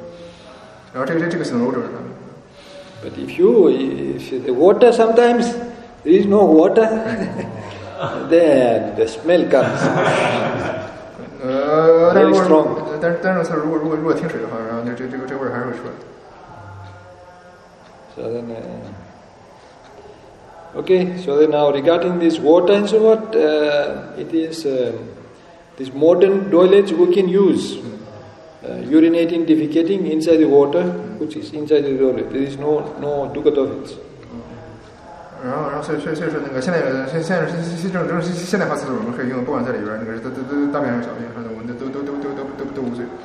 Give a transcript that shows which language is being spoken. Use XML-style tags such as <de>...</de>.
<zh>然后我现在使用这个厕所呢，就是你不管大便小便之后，它可以用水冲掉，然后又不会出现那个怪味，所以说现在这个厕所不管哪里大便小便都没有恶臭。然后这个系统我不知道。</zh> <en>But if the water sometimes there is no water, then the smell comes very strong.</en> <zh>但是是如果停水的话，然后这味儿还是会出来。</zh> <en>So then, okay. So then now regarding this water and so what, it is these modern toilets we can use. Urinating, defecating inside the water, which is inside the toilet. There is no dukkha toilets.</en> <zh>然后所以现在发厕所我们可以用，不管在里边那个大便还是小便，我们都无罪。</zh>